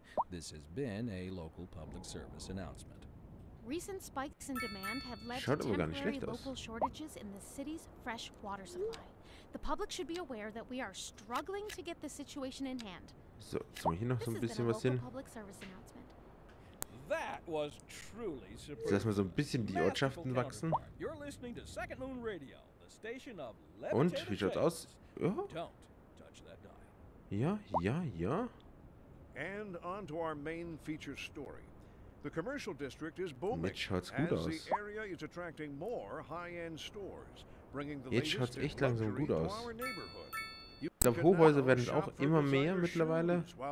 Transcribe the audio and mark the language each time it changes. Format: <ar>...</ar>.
<en>This has been a local public service announcement. Recent spikes in demand have led to temporary local shortages in the city's fresh water supply. The public should be aware that we are struggling to get the situation in hand.</en> <de>So, ziehen wir hier noch so ein bisschen was hin.</de> <en>Public service announcement. That was truly surprising.</en> <de>Lass mal so ein bisschen die Ortschaften wachsen.</de> <en>You're listening to Second Moon Radio, the station of Levitated.</en> <de>Und wie schaut's aus? Ja.</de> <en>Don't touch that dial.</en> <de>Ja.</de> <en>And on to our main feature story. The commercial district is booming.</en> <de>Jetzt schaut's gut aus.</de> <en>The area is attracting more high-end stores, bringing the latest.</en> <de>Jetzt schaut's echt langsam gut aus. Ich glaube, Hochhäuser werden auch immer mehr mittlerweile.</de>